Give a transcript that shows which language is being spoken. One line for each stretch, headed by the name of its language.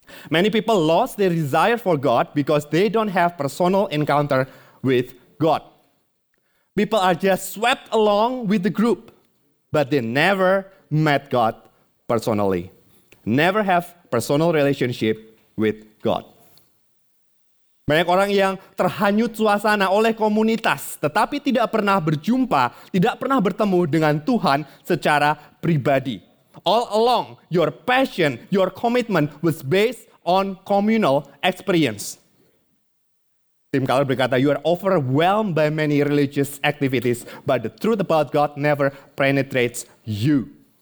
English: Many people lost their desire for God because they don't have personal encounter with God. People are just swept along with the group, but they never met God personally. never have personal relationship with God.
Indonesian: Banyak orang yang terhanyut suasana oleh komunitas, tetapi tidak pernah berjumpa, tidak pernah bertemu dengan Tuhan secara pribadi.
English: All along, your passion, your commitment was based on communal experience. Tim Keller
Indonesian: berkata,
English: you are overwhelmed by many religious activities, but the truth about God never penetrates you.